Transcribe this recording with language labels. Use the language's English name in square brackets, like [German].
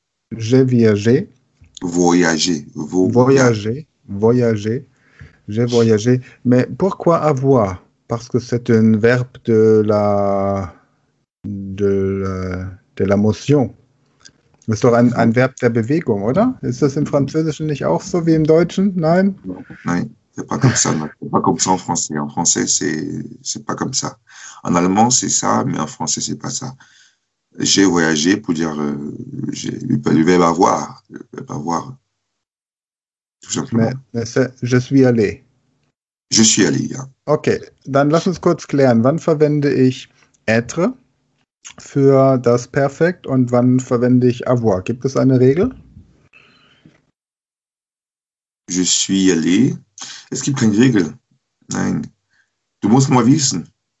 [French] J'ai viagé. Voyagé. Voyagé. J'ai voyagé. Mais pourquoi avoir? Parce que c'est un verbe de la motion. C'est un verbe de [German] bewegung, oder? Ist das im Französischen nicht auch so wie im Deutschen? Nein? [French] Non, c'est pas comme ça. C'est pas comme ça en français. En français, c'est pas comme ça. En allemand, c'est ça, mais en français, c'est pas ça. J'ai voyagé pour dire le verbe avoir, le verbe avoir, tout Mais simplement. je suis allé. Je suis allé. Hein. [German] OK, dann lass uns kurz klären. Wann verwende ich être für das Perfekt und wann verwende ich avoir? Gibt es eine Regel? [French] Je suis allé. [German] Es gibt keine Regel. Nein. Du musst mal wissen.